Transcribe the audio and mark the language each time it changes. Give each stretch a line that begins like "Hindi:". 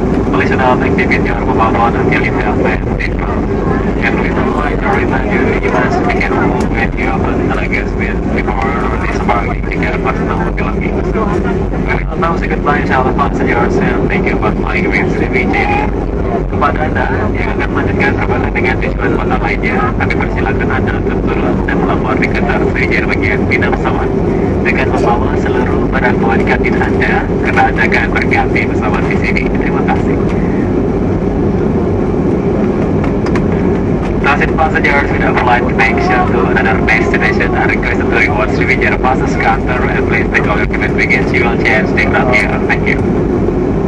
English: Please do not activate your mobile phone until you have left aircraft. And we would like to remind you, you must be careful when you open the luggage bin before disembarking to get personal belongings. We will now say goodbye to all the passengers and thank you for flying with Sriwijaya.
Indonesian: Kepada Anda yang akan melanjutkan perjalanan dengan tujuan kota lainnya, kami persilakan Anda untuk turun dan melapor di kantor manajer bagian bina pesawat dengan membawa seluruh barang bawaan kabin Anda karena Anda akan berganti pesawat di sini. Terima kasih.
English: Transit passengers with a flight connection to another destination are requested to reward Sriwijaya Passes counter and please take all your commitments against you on chance. Take care. Thank you.